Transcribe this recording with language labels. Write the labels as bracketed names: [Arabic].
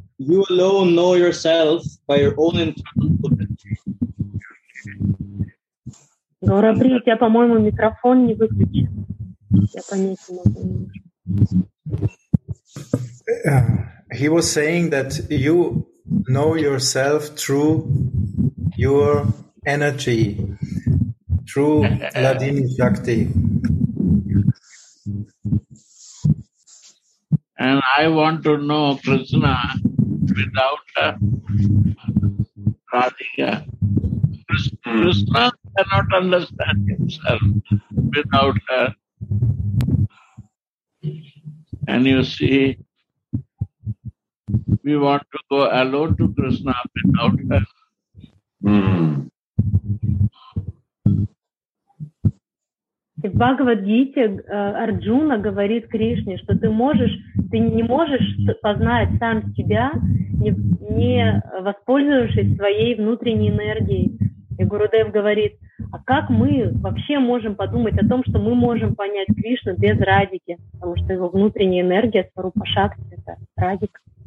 [English] You alone know yourself by your own internal potential. [Russian] Гора, привет, я, по-моему, микрофон не выключил. Я понять не могу. [English] He was saying that you know yourself through your energy, through Ladini Shakti. And I want to know Krishna without Radhika. Krishna cannot understand himself without her. And you see, we want to go alone to Krishna without her. [Russian] В Бхагавад-гите Арджуна говорит Кришне, что ты не можешь познать сам себя, не воспользовавшись своей внутренней энергией. И Гурудев говорит, а как мы вообще можем подумать о том, что мы можем понять Кришну без Радики, потому что его внутренняя энергия, Сварупа Шакти, это Радика.